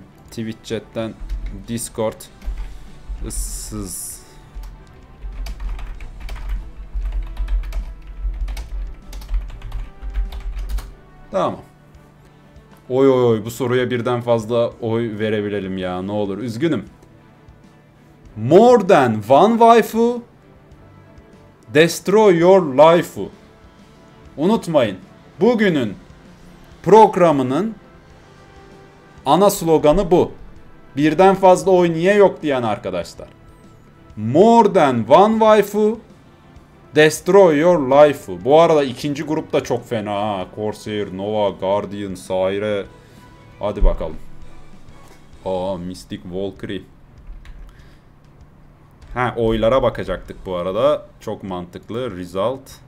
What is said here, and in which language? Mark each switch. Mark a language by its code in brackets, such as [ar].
[tr] Twitch chat'ten Discord. Issız. Tamam. Oy oy oy, bu soruya birden fazla oy verebilelim ya, ne olur. Üzgünüm. [en] More than one waifu destroy your life. [tr] Unutmayın. Bugünün programının ana sloganı bu. Birden fazla oy niye yok diyen arkadaşlar. [en] More than one waifu destroy your life. [tr] Bu arada ikinci grup da çok fena ha. Corsair, Nova, Guardian, Sire. Hadi bakalım. Aa, Mystic Valkyrie. Ha, oylara bakacaktık bu arada. Çok mantıklı. Result.